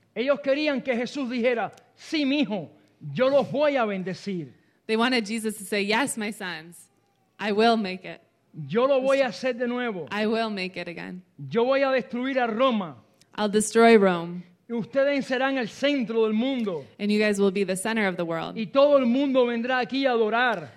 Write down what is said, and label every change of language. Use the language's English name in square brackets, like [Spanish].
[Spanish] Ellos querían que Jesús dijera, sí, mijo, yo los voy a bendecir. [English] They wanted Jesus to say, yes, my sons. I will make it. [Spanish] Yo lo voy a hacer de nuevo. [English] I will make it again. [Spanish] Yo voy a destruir a Roma. [English] I'll destroy Rome. [Spanish] Y ustedes serán el centro del mundo. [English] And you guys will be the center of the world. [Spanish] Y todo el mundo vendrá aquí a adorar.